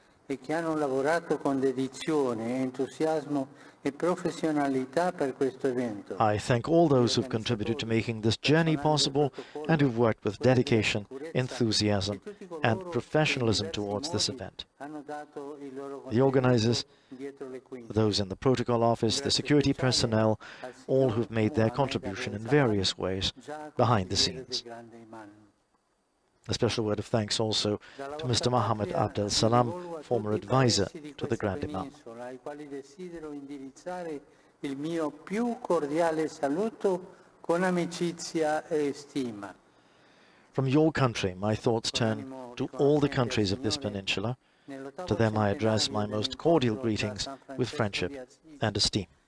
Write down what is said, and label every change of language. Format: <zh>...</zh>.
<it>E che hanno lavorato con dedizione, entusiasmo e professionalità per questo evento.</it> <en>I thank all those who've contributed to making this journey possible and who've worked with dedication, enthusiasm and professionalism towards this event. The organizers, those in the protocol office, the security personnel, all who've made their contribution in various ways behind the scenes. A special word of thanks also to Mr. Mohammed Abdel Salam, former advisor to the Grand Imam.</en> <it>Ai quali desidero indirizzare il mio più cordiale saluto con amicizia e stima.</it> <en>From your country, my thoughts turn to all the countries of this peninsula. To them I address my most cordial greetings with friendship and esteem.</en>